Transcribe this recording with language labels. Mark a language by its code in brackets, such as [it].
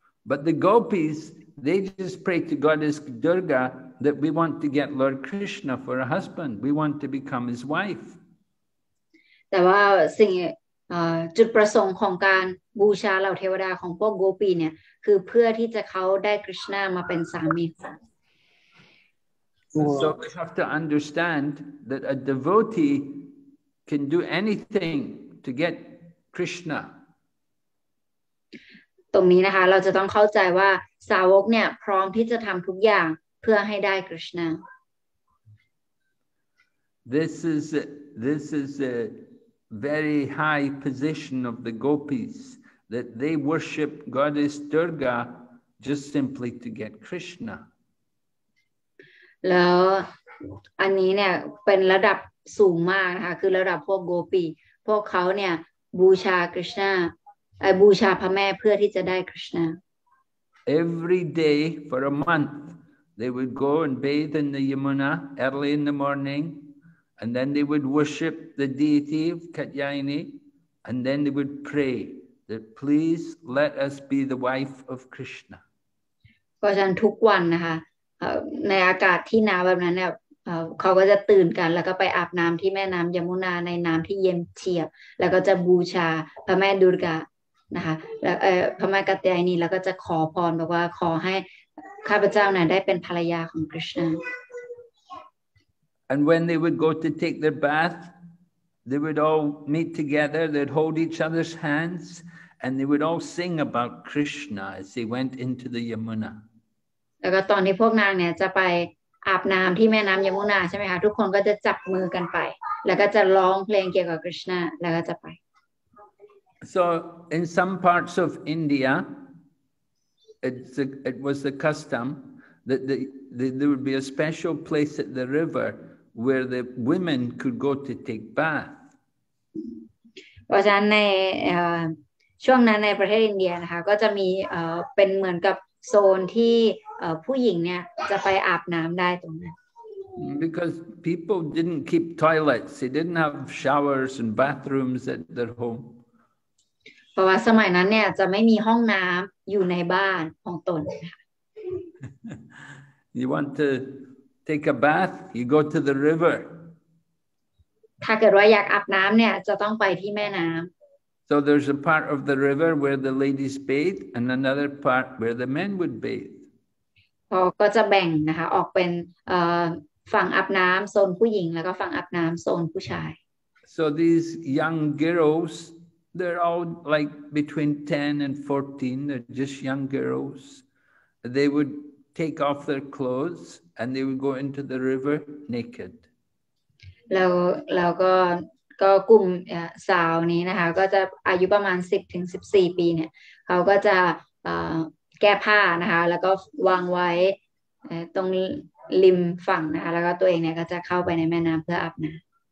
[en] But the gopis they just pray to goddess DurgaThat we want to get Lord Krishna for a husband. We want to become his wife. [th] แต่ว่าสิ่งจุดประสงค์ของการบูชาเหล่าเทวดาของพวกโกปีเนี่ยคือเพื่อที่จะเขาได้คริชนามาเป็นสามี [en] So we have to understand that a devotee can do anything to get Krishna. [th] ตรงนี้นะคะเราจะต้องเข้าใจว่าสาวกเนี่ยพร้อมที่จะทำทุกอย่างเพื่อให้ได้คริชนา [en] This is a very high position of the gopis that they worship goddess Durga just simply to get Krishna [th] แล้วอันนี้เนี่ยเป็นระดับสูงมากนะคะคือระดับพวกโกปีพวกเขาเนี่ยบูชาคริชนาบูชาพระแม่เพื่อที่จะได้คริชนา [en] Every day for a monthThey would go and bathe in the Yamuna early in the morning, and then they would worship the deity of Katyayini, and then they would pray that please let us be the wife of Krishna. [th] ก็ฉันทุกวันนะคะในอากาศที่หนาวแบบนั้นเนี่ยเขาก็จะตื่นกันแล้วก็ไปอาบน้ำที่แม่น้ำยมุนาในน้ำที่เย็นเฉียบแล้วก็จะบูชาพระแม่ดุร์กานะคะแล้วพระแม่กัตยายนีแล้วก็จะขอพรบอกว่าขอให้ ข้าพเจ้าน่ะได้เป็นภรรยาของ Krishna [en] and when they would go to take their bath they would all meet together they'd hold each other's hands and they would all sing about Krishna as they went into the Yamuna [th] แล้วก็ตอนที่พวกนางเนี่ยจะไปอาบน้ำที่แม่น้ำยมุนาใช่ไหมคะทุกคนก็จะจับมือกันไปแล้วก็จะร้องเพลงเกี่ยวกับคริชนาแล้วก็จะไป [en] so in some parts of India it was the custom that there would be a special place at the river where the women could go to take bath [th] เพราะฉะนั้นในช่วงนั้นในประเทศอินเดียนะคะก็จะมีเป็นเหมือนกับโซนที่ผู้หญิงเนี่ยจะไปอาบน้ำได้ตรงนั้น [en] because people didn't keep toilets they didn't have showers and bathrooms at their home [th] เพราะว่าสมัยนั้นเนี่ยจะไม่มีห้องน้ำอยู่ในบ้านของตน [en] you want to take a bath you go to the river [th] ถ้าเกิดว่าอยากอาบน้ำเนี่ยจะต้องไปที่แม่น้ำ [en] so there's a part of the river where the ladies bathe and another part where the men would bathe [th] เขาก็จะแบ่งนะคะออกเป็นฝั่งอาบน้ำโซนผู้หญิงแล้วก็ฝั่งอาบน้ำโซนผู้ชาย [en] so these young girls they're all like between 10 and 14 they're just young girls they would take off their clothes and they would go into the river naked [th] แล้วก็กลุ่มสาวนี้นะคะก็จะอายุประมาณ10ถึง14ปีเนี่ยเขาก็จะแก้ผ้านะคะแล้วก็วางไว้ตรงริมฝั่งนะคะแล้วก็ตัวเองเนี่ยก็จะเข้าไปในแม่น้ำเพื่ออาบน้ำ